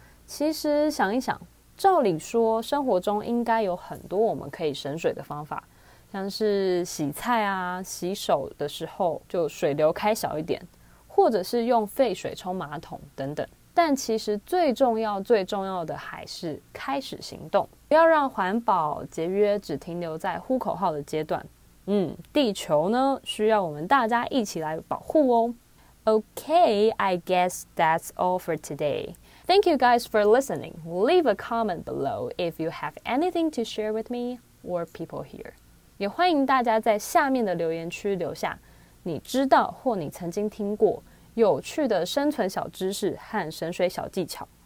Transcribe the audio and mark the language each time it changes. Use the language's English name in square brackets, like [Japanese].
[Chinese] 其实想一想，照理说生活中应该有很多我们可以省水的方法，像是洗菜啊，洗手的时候就水流开小一点，或者是用废水冲马桶等等。但其实最重要最重要的还是开始行动，不要让环保节约只停留在呼口号的阶段。地球呢需要我们大家一起来保护哦。 [English] OK, I guess that's all for today. Thank you guys for listening. Leave a comment below if you have anything to share with me or people here. [Chinese] 也欢迎大家在下面的留言区留下你知道或你曾经听过有趣的生存小知识和省水小技巧。